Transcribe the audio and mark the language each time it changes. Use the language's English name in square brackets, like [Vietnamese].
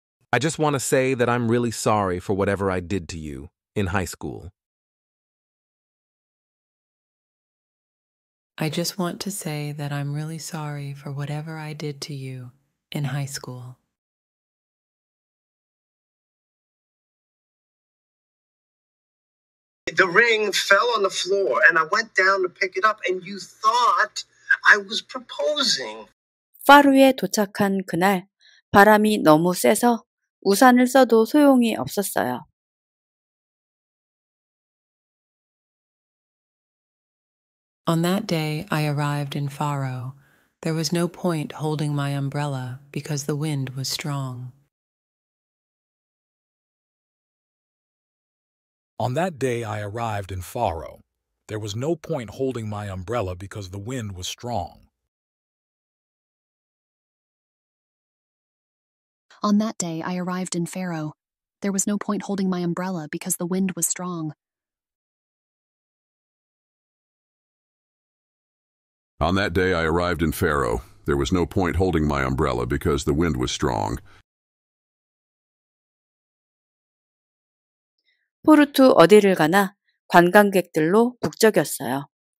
[English] I just want to say that I'm really sorry for whatever I did to you in high school. I just want to say that I'm really sorry for whatever I did to you in high school. The ring fell on the floor and I went down to pick it up and you thought I was proposing. [Korean] 파루에 도착한 그날 바람이 너무 세서 우산을 써도 소용이 없었어요. [English] On that day, I arrived in Faro. There was no point holding my umbrella because the wind was strong. On that day, I arrived in Faro. There was no point holding my umbrella because the wind was strong. On that day, I arrived in Faro. There was no point holding my umbrella because the wind was strong. On that day, I arrived in Faro. There was no point holding my umbrella because the wind was strong. [Korean] 포르투 어디를 가나 관광객들로 북적였어요.